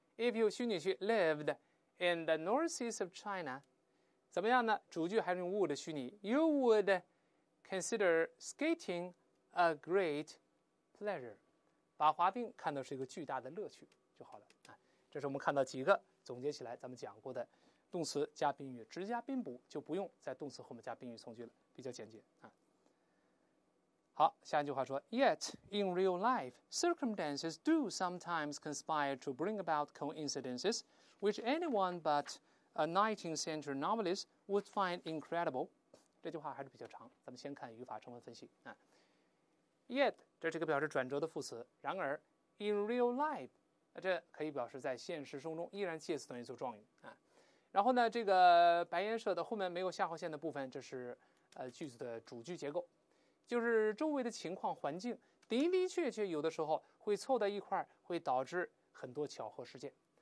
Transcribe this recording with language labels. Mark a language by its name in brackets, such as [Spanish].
[English] If you [Chinese] 虚拟句 [English] lived in the northeast of China， [Chinese] 怎么样呢？主句还是用 would 虚拟， [English] you would consider skating a great pleasure。 [Chinese] 把滑冰看到是一个巨大的乐趣就好了。这是我们看到几个总结起来咱们讲过的动词加宾语，直接加宾补，就不用在动词后面加宾语从句了，比较简洁。好，下一句话说 [English] Yet in real life, circumstances do sometimes conspire to bring about coincidences which anyone but a 19th century novelist would find incredible。 [Chinese] 这句话还是比较长，咱们先看语法成分分析。Yet 这是个表示转折的副词，然而 [English] in real life [Chinese] 这可以表示在现实生活中，依然介词等于做状语啊。然后呢，这个白颜色的后面没有下划线的部分，这是句子的主句结构，就是周围的情况环境的的确确有的时候会凑在一块，会导致很多巧合事件。